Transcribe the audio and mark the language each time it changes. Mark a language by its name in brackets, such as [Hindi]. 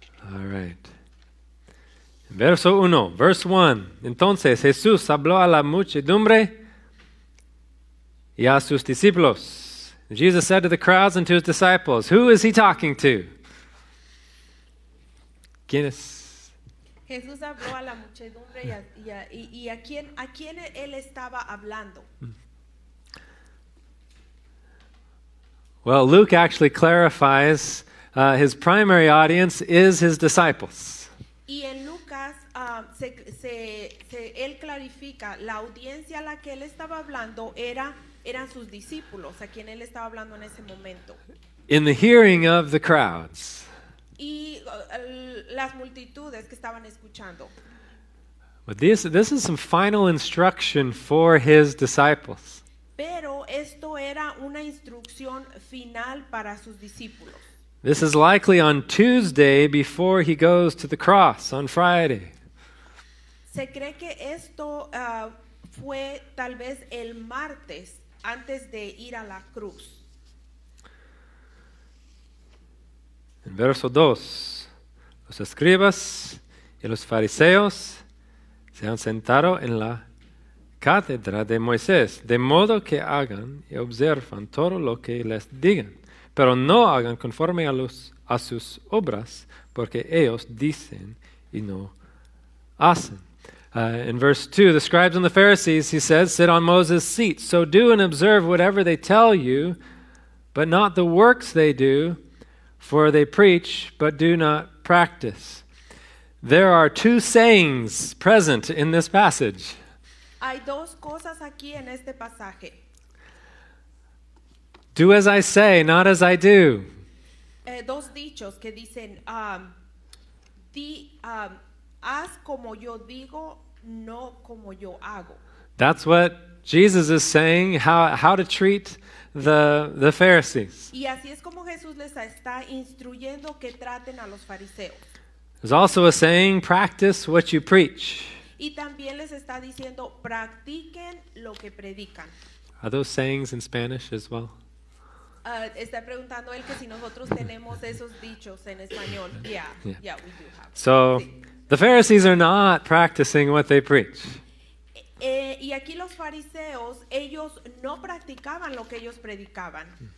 [English] All right. [Spanish] Verso 1, [English] verse 1. [Spanish] Entonces Jesús habló a la muchedumbre y a sus discípulos. [English] Jesus said to the crowds and to his disciples, who is he talking to? [Spanish] ¿Quién es? Jesús habló a la muchedumbre y a quién él estaba hablando. [English] Well, Luke actually clarifies his primary audience is his disciples. [Spanish] Y en Lucas él clarifica la audiencia a la que él estaba hablando eran sus discípulos a quien él estaba hablando en ese momento. [English] In the hearing of the crowds. [Spanish] Y las multitudes que estaban escuchando. [English] But this is some final instruction for his disciples. [Spanish] Pero esto era una instrucción final para sus discípulos. [English] This is likely on Tuesday before he goes to the cross on Friday. [Spanish] Se cree que esto fue tal vez el martes antes de ir a la cruz. En verso 2, los escribas y los fariseos se han sentado en la cátedra de Moisés, de modo que hagan y observan todo lo que les digan, pero no hagan conforme a sus obras, porque ellos dicen y no hacen. [English] In verse 2, the scribes and the Pharisees, he says, sit on Moses' seat. So do and observe whatever they tell you, but not the works they do, for they preach, but do not practice. There are two sayings present in this passage. [Spanish] Hay dos cosas aquí en este pasaje. [English] Do as I say, not as I do. [Spanish] Dos dichos que dicen, haz como yo digo, no como yo hago. [English] That's what Jesus is saying, how to treat the Pharisees. [Spanish] Y así es como Jesús les está instruyendo que traten a los fariseos. [English] There's also a saying, practice what you preach. [Spanish] Y también les está diciendo, practiquen lo que predican. [English] Are those sayings in Spanish as well? [Spanish] Está preguntando él que si nosotros tenemos esos dichos en español. [English] Yeah, we do have. So, the Pharisees are not practicing what they preach. [Spanish] Y aquí los fariseos, ellos no practicaban lo que ellos predicaban.